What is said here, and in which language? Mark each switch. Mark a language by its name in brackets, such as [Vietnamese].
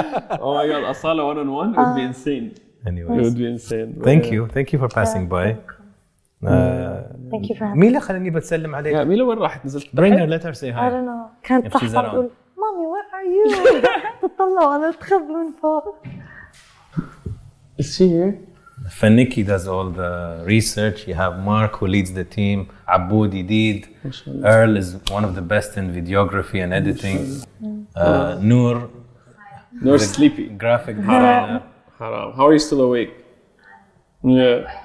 [English] oh my god أصالة one on one it would be insane anyways it would be insane thank you for passing by Thank you for having [Arabic] ميلا خليني بتسلم عليك. Yeah, ميلا وين راحت نزلت؟ [English] Bring her, let her say hi. I don't know. [Arabic] كانت تحت تقول مامي [English] where are you؟ [Arabic] تطلع وأنا أتخذ من فوق. [English] Is she here? Faniki does all the research. You have Mark who leads the team. Aboud Yedid. Earl is one of the best in videography and editing. Noor. Noor sleepy. Graphic designer. Haram. How are you still awake? Yeah.